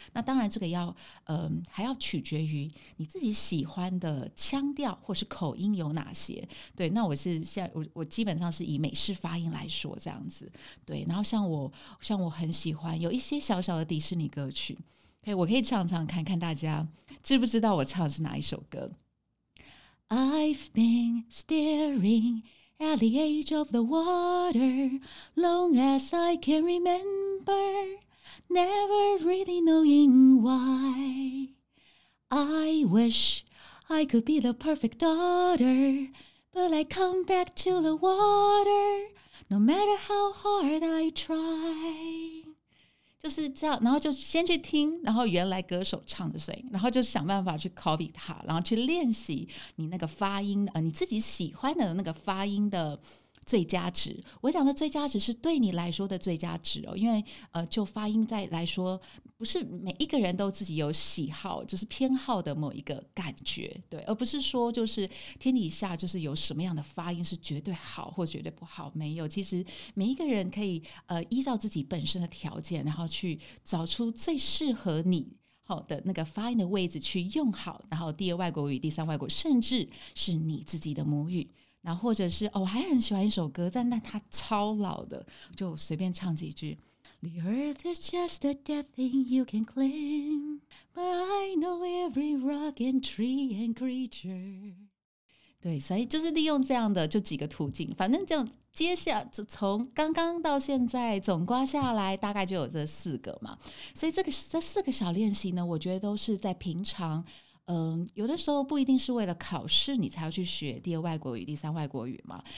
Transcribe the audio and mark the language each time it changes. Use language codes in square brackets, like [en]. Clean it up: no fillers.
[zh] 那当然这个要还要取决于你自己喜欢的腔调或是口音有哪些。对，那我是现在 我基本上是以美式发音来说这样子。对，然后像我很喜欢有一些小小的迪士尼歌曲，我可以唱唱看看大家知不知道我唱的是哪一首歌。 [en] I've been staringAt the edge of the water, long as I can remember, never really knowing why. I wish I could be the perfect daughter, but I come back to the water, no matter how hard I try. [zh] 就是这样，然后就先去听，然后原来歌手唱的声音，然后就想办法去 copy 他，然后去练习你那个发音你自己喜欢的那个发音的最佳值。我讲的最佳值是对你来说的最佳值哦，因为就发音在来说，不是每一个人都自己有喜好，就是偏好的某一个感觉，对，而不是说就是天底下就是有什么样的发音是绝对好或绝对不好，没有。其实每一个人可以依照自己本身的条件，然后去找出最适合你好的那个发音的位置去用好，然后第二外国语、第三外国语，甚至是你自己的母语。然后或者是我还很喜欢一首歌，但那它超老的，就随便唱几句。 [en] The earth is just a dead thing you can claim, but I know every rock and tree and creature. [zh] 对，所以就是利用这样的就几个途径，反正这样接下来从刚刚到现在总刮下来大概就有这四个嘛。所以这四个小练习呢，我觉得都是在平常有的时候不一定是为了考试你才要去学第二外国语、第三外国语嘛。